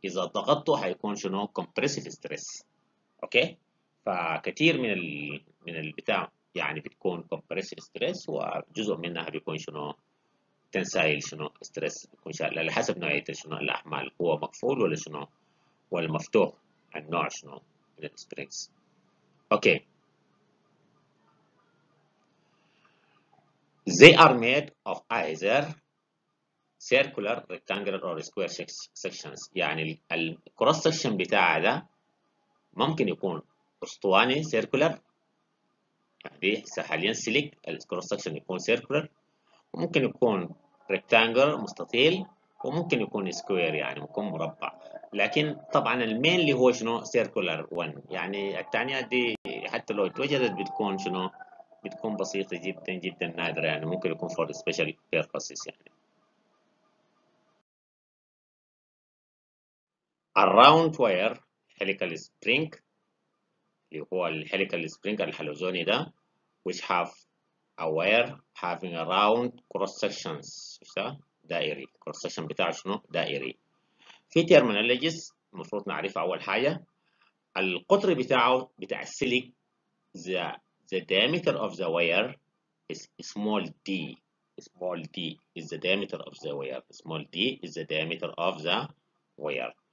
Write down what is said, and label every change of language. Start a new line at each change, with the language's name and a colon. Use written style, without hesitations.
Arabic: إذا ضغطته هيكون شنو؟ compressive stress. أوكي؟ فكثير من الـ من البتاع يعني بتكون compressive stress وجزء منها بيكون شنو؟ تنسايل شنو؟ ستريس. بيكون شنو؟ على حسب نوعية شنو؟ الأحمال هو مقفول ولا شنو؟ والمفتوح النوع شنو؟ من السبرينجز. أوكي.
English: They are made of either circular, rectangular or square sections.
Arabic: يعني الكروس سكشن بتاع ده ممكن يكون اسطواني circular. يعني حاليا سلك الكروس سكشن يكون circular. وممكن يكون rectangular مستطيل. وممكن يكون square يعني يكون مربع. لكن طبعا المين اللي هو شنو circular one. يعني التانية دي حتى لو اتوجدت بتكون شنو بتكون بسيطة جدا جدا نادرة يعني ممكن يكون
English: for special purposes
Arabic: يعني.
English: Around wire helical spring
Arabic: اللي هو الهيليكال سبرينج الحلزوني ده
English: which have a wire having a round cross sections دائري cross section
Arabic: بتاعه شنو دائري. في terminologies المفروض نعرفها أول حاجة القطر بتاعه بتاع السلك
English: The diameter of the wire is small d. Small d is the diameter of the wire. Small d is the diameter of the wire.